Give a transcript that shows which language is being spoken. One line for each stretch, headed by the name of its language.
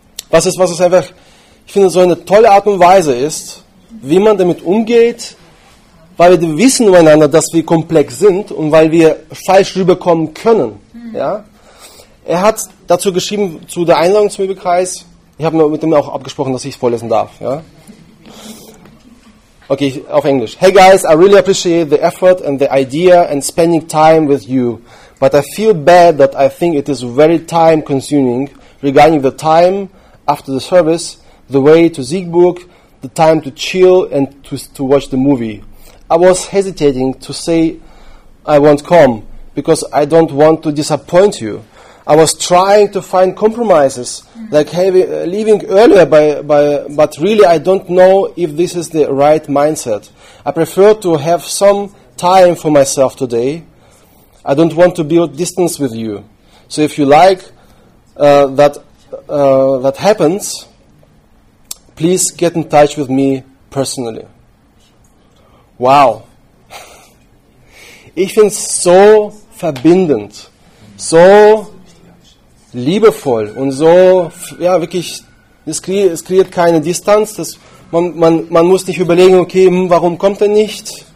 German: Was ist einfach, ich finde, so eine tolle Art und Weise ist, wie man damit umgeht, weil wir wissen übereinander, dass wir komplex sind und weil wir falsch rüberkommen können. Mhm. Ja? Er hat dazu geschrieben, zu der Einladung zum Bibelkreis. Ich habe mit ihm auch abgesprochen, dass ich es vorlesen darf. Ja? Okay, auf Englisch.
English: Hey guys, I really appreciate the effort and the idea and spending time with you. But I feel bad that I think it is very time consuming regarding the time after the service, the way to Siegburg, the time to chill and to watch the movie. I was hesitating to say I won't come because I don't want to disappoint you. I was trying to find compromises, like leaving earlier, but really I don't know if this is the right mindset. I prefer to have some time for myself today. I don't want to build distance with you. So if you like that happens, please get in touch with me personally. Wow.
German: Ich finde es so verbindend, so liebevoll und so, ja, wirklich, es kreiert keine Distanz, dass man muss nicht überlegen, okay, warum kommt er nicht?